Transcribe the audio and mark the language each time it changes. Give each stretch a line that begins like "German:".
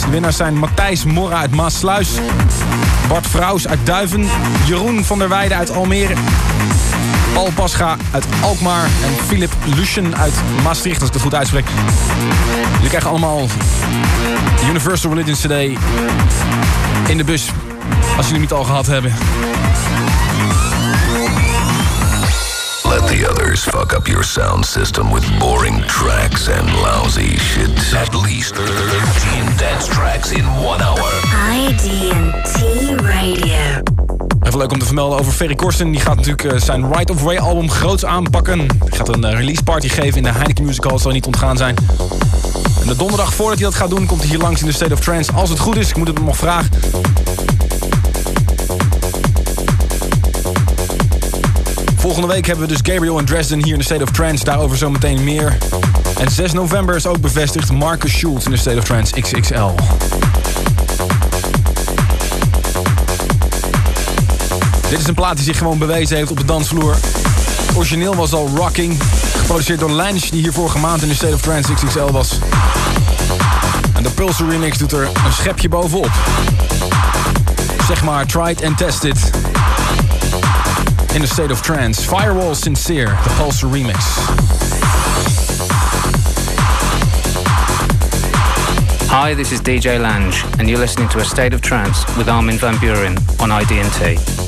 Dutch: De winnaars zijn Matthijs Morra uit Maassluis, Bart Vrouws uit Duiven, Jeroen van der Weijden uit Almere, Paul Pascha uit Alkmaar en Philip Lucien uit Maastricht, als ik het goed uitspreek. Jullie krijgen allemaal Universal Religions CD in de bus, als jullie het al gehad hebben.
English: Let the others fuck up your sound system with boring tracks and lousy shit. At least 13 dance tracks in 1 hour. ID&T Radio.
Dutch: Even leuk om te vermelden over Ferry Korsen. Die gaat natuurlijk zijn Right of Way album groots aanpakken. Hij gaat een release party geven in de Heineken Music Hall. Zal niet ontgaan zijn. En de donderdag voordat hij dat gaat doen, komt hij hier langs in de State of Trance. Als het goed is, ik moet het hem nog vragen. Volgende week hebben we dus Gabriel en Dresden hier in de State of Trance. Daarover zometeen meer. En 6 november is ook bevestigd Marcus Schultz in de State of Trance XXL. Dit is een plaat die zich gewoon bewezen heeft op de dansvloer. Het origineel was al rocking. Geproduceerd door Lange, die hier vorige maand in de State of Trance XXL was. En de Pulse remix doet er een schepje bovenop. Zeg maar,
English: tried and tested. In the State of Trance, Firewall Sincere, the Pulse remix. Hi, this is DJ Lange, and you're listening to A State of Trance with Armin van Buuren on ID&T.